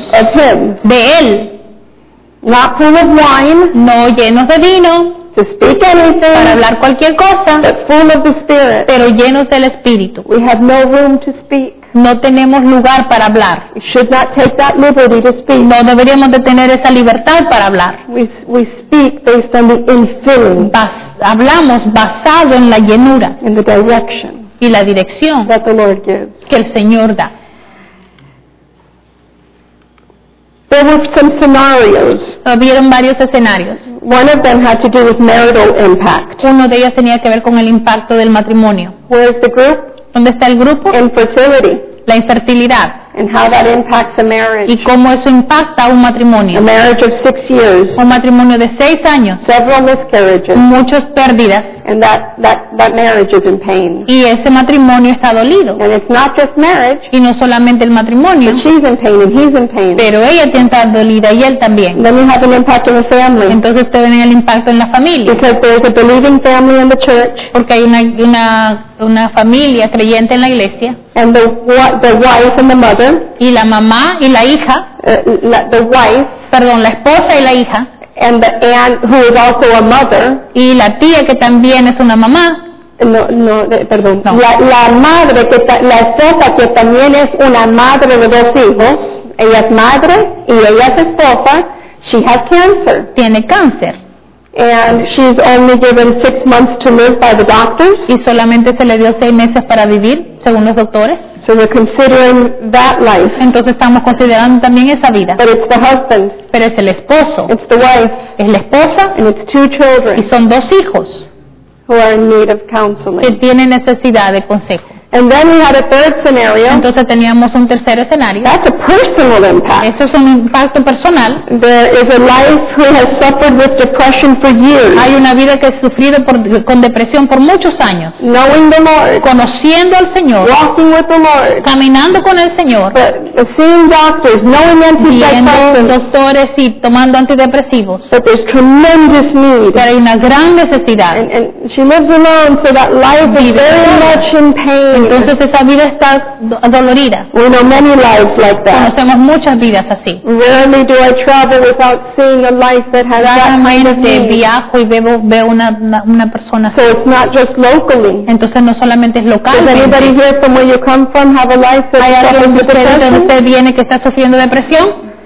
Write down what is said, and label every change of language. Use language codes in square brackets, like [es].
[en] Of him. [es] De él. [en] Not full of wine. [es] No llenos de vino. [en] To speak anything, [es] para hablar cualquier cosa, [en] but full of the Spirit, [es] pero llenos del Espíritu. [en] We have no room to speak. [es] No tenemos lugar para hablar. [en] We should not take that liberty to speak. [es] No deberíamos de tener esa libertad para hablar. [en] We speak based on the infilling. [es] Hablamos basado en la llenura. [en] In the direction. [es] Y la dirección. [en] That the Lord gives. [es] Que el Señor da. [en] There were some scenarios. [es] Habían varios escenarios. [en] One of them had to do with marital impact. [es] Uno de ellos tenía que ver con el impacto del matrimonio. [en] Where is the group? [es] ¿Dónde está el grupo? [en] Infertility. [es] La infertilidad. [en] And how that impacts a marriage. [es] Y cómo eso impacta un matrimonio. [en] A marriage of 6 years. [es] Un matrimonio de 6 años. [en] Several miscarriages. [es] Muchas pérdidas. [en] And that marriage is in pain. [es] Y ese matrimonio está dolido. [en] And it's not just marriage. [es] Y no solamente el matrimonio. [en] But she's in pain and he's in pain. [es] Pero ella tiene que estar dolida y él también. [en] Then you have an impact on the family. [es] Entonces te viene el impacto en la familia. [en] Because there's a believing family in the church. [es] Porque hay una familia creyente en la iglesia. [en] And the wife and the mother. [es] Y la mamá y la hija. [en] The wife. [es] Perdón, la esposa y la hija. [en] And the aunt who is also a mother. [es] Y la tía que también es una mamá. No, perdón. La madre, la esposa que también es una madre de dos hijos. Ella es madre y ella es esposa. [en] She has cancer. [es] Tiene cáncer. [en] And she's only given 6 months to live by the doctors. [es] Y solamente se le dio 6 meses para vivir, según los doctores. [en] So we're considering that life. [es] Entonces estamos considerando también esa vida. [en] But it's the husband. [es] Pero es el esposo. [en] It's the wife. [es] Es la esposa. [en] And it's 2 children. [es] Y son 2 hijos. [en] Who are in need of counseling. [es] Que tienen necesidad de consejo. [en] And then we had a third scenario. [es] Entonces teníamos un tercer escenario. [en] That's a personal impact. [es] Eso es un impacto personal. [en] There is a life who has suffered with depression for years. [es] Hay una vida que ha sufrido con depresión por muchos años. [en] Knowing the Lord. [es] Conociendo al Señor. [en] Walking with the Lord. [es] Caminando con el Señor. [en] But seeing doctors, knowing antidepressants. [es] Viendo doctores y tomando antidepresivos. [en] But there's tremendous need. [es] Pero hay una gran necesidad. [en] And she lives alone, so that life is very much in pain. [es] Entonces esa vida está dolorida. [en] We know many lives like that. [es] Conocemos muchas vidas así. [en] Rarely do I travel without seeing a life that has that kind of need. [es] Raramente viajo y veo una persona así. [en] So it's not just locally. [es] Entonces no solamente es local. [en] Does anybody here from where you come from have a life that's [es] ¿Hay alguien de ustedes donde usted viene que está sufriendo depresión?